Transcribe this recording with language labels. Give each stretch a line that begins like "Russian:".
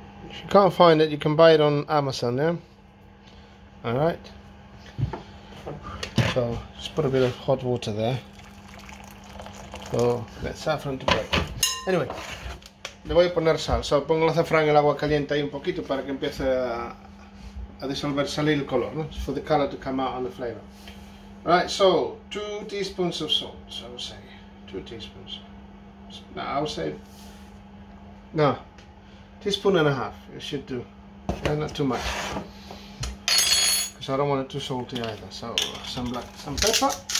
English: If you can't find it, you can buy it on Amazon. Yeah. All right. So just put a bit of hot water there. So let saffron to break. Anyway.
Spanish: Le voy a poner sal, o sea, pongo el azafrán en el agua caliente ahí un poquito para que empiece a disolver, salir el color, ¿no?
English: For the color to come out and the flavor. Right, so, 2 teaspoons of salt, I would say. 2 teaspoons. No, I would say. No, teaspoon and a half, it should do. Yeah, not too much. Because I don't want it too salty either. So, some pepper.